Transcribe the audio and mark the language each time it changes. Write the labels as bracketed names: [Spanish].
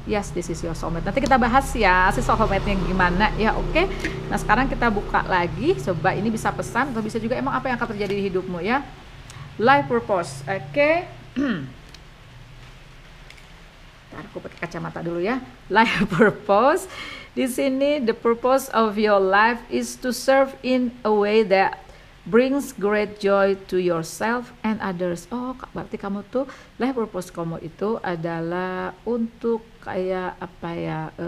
[English] Yes, this is your soulmate. [Indonesian] Nanti kita bahas ya, si soulmate-nya gimana ya, oke. Okay? Nah, sekarang kita buka lagi, coba ini bisa pesan atau bisa juga emang apa yang akan terjadi di hidupmu ya. [English] Life purpose, oke. Okay? [Indonesian] Aku pakai kacamata dulu ya. [English] Life purpose. [Indonesian] Di sini [English] the purpose of your life is to serve in a way that brings great joy to yourself and others. [Indonesian] Oh, berarti kamu tuh life purpose kamu itu adalah untuk kayak apa ya?